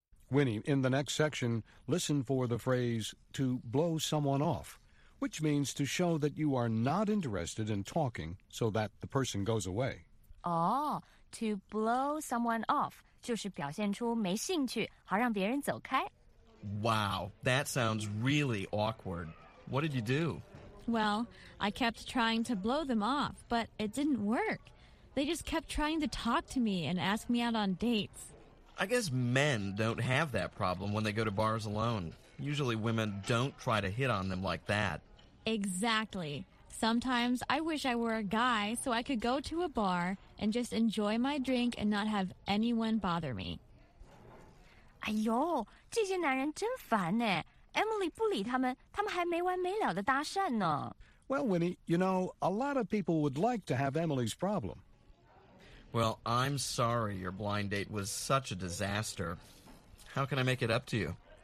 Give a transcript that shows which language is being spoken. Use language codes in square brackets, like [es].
[en] Winnie, in the next section, listen for the phrase to blow someone off, which means to show that you are not interested in talking so that the person goes away. [zh] Oh, to blow someone off, 就是表现出没兴趣好让别人走开。 [en] Wow, that sounds really awkward. What did you do? Well, I kept trying to blow them off, but it didn't work. They just kept trying to talk to me and ask me out on dates. I guess men don't have that problem when they go to bars alone. Usually women don't try to hit on them like that. Exactly. Sometimes I wish I were a guy so I could go to a bar and just enjoy my drink and not have anyone bother me. [zh] 哎呦，这些男人真烦呢。 Emily 不理他们，他们还没完没了地搭讪呢。 [en] Well, Winnie, you know, a lot of people would like to have Emily's problem. Well, I'm sorry your blind date was such a disaster. How can I make it up to you?